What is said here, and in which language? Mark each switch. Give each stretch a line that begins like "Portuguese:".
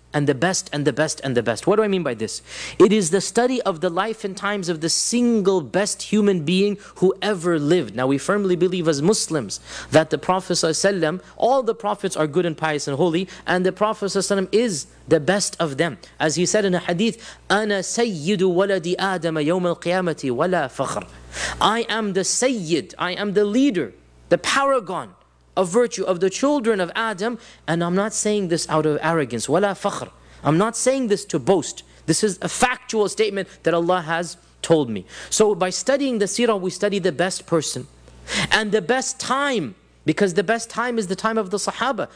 English: and the best and the best and the best. What do I mean by this? It is the study of the life and times of the single best human being who ever lived. Now we firmly believe as Muslims that the Prophet ﷺ, all the Prophets are good and pious and holy, and the Prophet ﷺ is the best of them. As he said in a hadith,
Arabic: أَنَا سَيِّدُ وَلَدِ آدَمَ يَوْمَ الْقِيَامَةِ وَلَا فَخْرٍ.
English: I am the Sayyid, I am the leader, the paragon of virtue of the children of Adam, and I'm not saying this out of arrogance, wala fakhr. I'm not saying this to boast. This is a factual statement that Allah has told me. So by studying the seerah, we study the best person and the best time, because the best time is the time of the Sahaba.